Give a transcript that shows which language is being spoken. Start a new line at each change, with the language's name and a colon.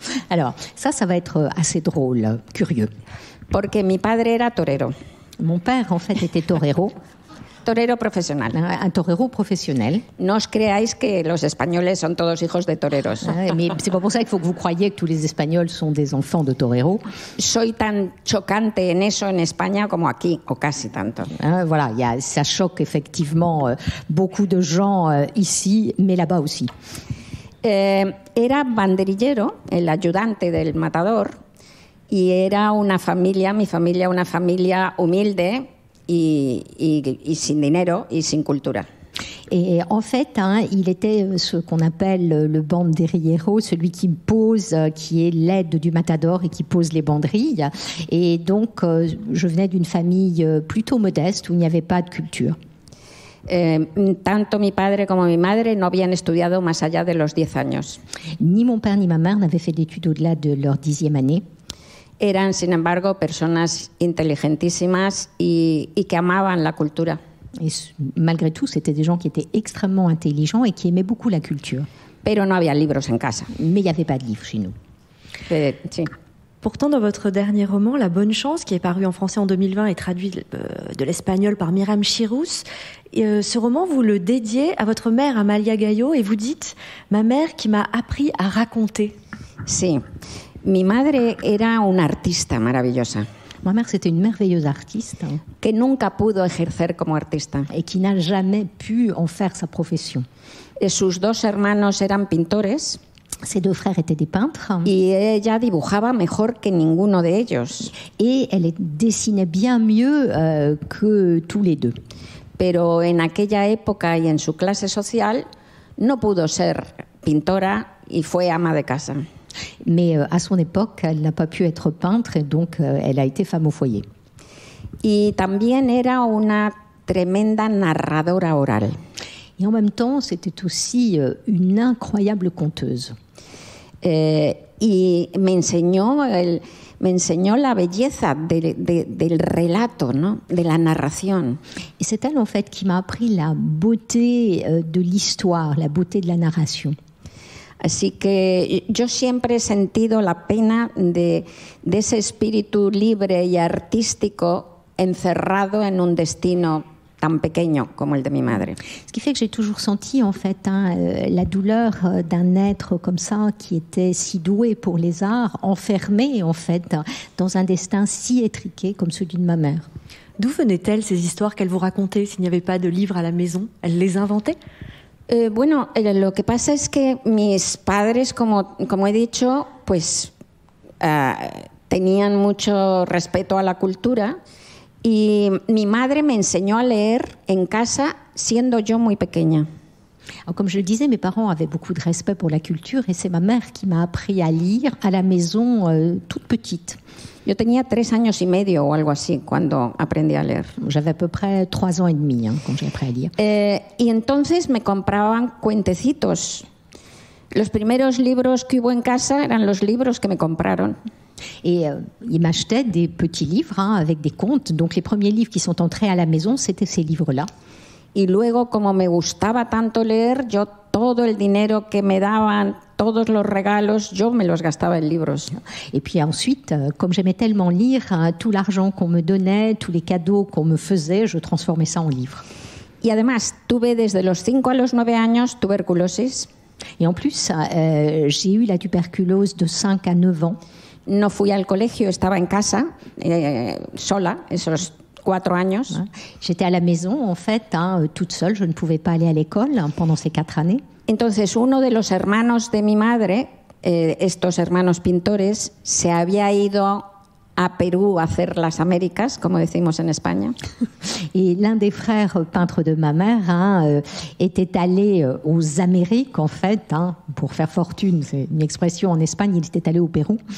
French: Alors, ça va être assez drôle, curieux.
Spanish: Porque mi padre era torero.
French: Mon père, en fait, était torero.
Spanish: Torero profesional. Un torero profesional. No os creáis que los españoles son todos hijos de toreros.
French: C'est pas pour ça qu'il faut que vous croyiez que tous les Espagnols sont des enfants de torero.
Spanish: Soy tan chocante en eso en España como aquí, o casi tanto.
French: Voilà, ça choque effectivement beaucoup de gens ici, mais là-bas aussi.
Spanish: Era banderillero, el ayudante del matador, y era una familia, mi familia, una familia humilde, y sin dinero y sin cultura.
French: Et en fait, hein, il était ce qu'on appelle le banderillero, celui qui pose, qui est l'aide du matador et qui pose les banderilles. Et donc, je venais d'une famille plutôt modeste où il n'y avait pas de culture.
Spanish: Tanto mi padre como mi madre no habían estudiado más allá de los 10 años.
French: Ni mon père ni ma mère n'avaient fait d'études au-delà de leur 10e année.
Spanish: Eran, sin embargo, personas inteligentísimas y que amaban la cultura.
French: Et malgré tout, c'était des gens qui étaient extrêmement intelligents et qui aimaient beaucoup la culture.
Spanish: Pero no había libros en casa.
French: Mais il n'y avait pas de livres chez nous.
Spanish: Sí.
French: Pourtant, dans votre dernier roman, La Bonne Chance, qui est paru en français en 2020 et traduit de l'espagnol par Miriam Chirous, ce roman, vous le dédiez à votre mère, Amalia Gallo, et vous dites « Ma mère qui m'a appris à raconter ».
Spanish: Sí. Mi madre era una artista maravillosa.
French: Ma mère, c'était une merveilleuse artiste.
Spanish: Que nunca pudo ejercer como artista.
French: Et qui n'a jamais pu en faire sa profession.
Spanish: Et sus dos hermanos eran pintores.
French: Ses deux frères étaient des peintres.
Spanish: Y ella dibujaba mejor que ninguno de ellos.
French: Et elle dessinait bien mieux que tous les deux.
Spanish: Pero en aquella época y en su clase social, no pudo ser pintora y fue ama de casa.
French: Mais à son époque, elle n'a pas pu être peintre, et donc elle a été femme au foyer.
Spanish: Y también era una tremenda narradora oral.
French: Et en même temps, c'était aussi une incroyable conteuse.
Spanish: Y me enseñó la belleza del relato, ¿no? De la narración.
French: Et c'est elle en fait qui m'a appris la beauté de l'histoire, la beauté de la narration.
Spanish: Así que yo siempre he sentido la pena de ese espíritu libre y artístico encerrado en un destino tan pequeño como el de mi madre.
French: Ce qui fait que j'ai toujours senti en fait hein, la douleur d'un être comme ça qui était si doué pour les arts, enfermé en fait dans un destin si étriqué comme celui de ma mère. D'où venaient-elles ces histoires qu'elle vous racontait s'il n'y avait pas de livres à la maison? Elle les inventait?
Spanish: Bueno, lo que pasa es que mis padres, como he dicho, pues tenían mucho respeto a la cultura y mi madre me enseñó a leer en casa siendo yo muy pequeña.
French: Comme je le disais, mes parents avaient beaucoup de respect pour la culture et c'est ma mère qui m'a appris à lire à la maison toute petite.
Spanish: Yo tenía 3 años y medio o algo así cuando aprendí a leer.
French: J'avais à peu près 3 ans et demi hein, quand j'ai appris à lire.
Spanish: Y entonces me compraban cuentecitos. Los primeros libros que hubo en casa eran los libros que me compraron.
French: Et ils m'achetaient des petits livres hein, avec des contes. Donc les premiers livres qui sont entrés à la maison, c'était ces livres-là.
Spanish: Y luego, como me gustaba tanto leer, yo todo el dinero que me daban, todos los regalos, yo me los gastaba en libros.
French: Et puis ensuite, comme j'aimais tellement lire, tout l'argent qu'on me donnait, tous les cadeaux qu'on me faisait, je transformais ça en livres.
Spanish: Y además, tuve desde los 5 a los 9 años tuberculosis.
French: Et en plus, j'ai eu la tuberculose de 5 à 9 ans.
Spanish: No fui al colegio, estaba en casa, sola, esos cuatro años.
French: J'étais à la maison, en fait, hein, toute seule, je ne pouvais pas aller à l'école pendant ces quatre années.
Spanish: Entonces, uno de los hermanos de mi madre, estos hermanos pintores, se había ido
French: à Pérou, à faire les Amériques, comme
Spanish: decimos
French: en Espagne. Et l'un des frères peintres de ma mère hein, était allé aux Amériques, en fait, hein, pour faire fortune, c'est une expression en Espagne, il était allé au Pérou.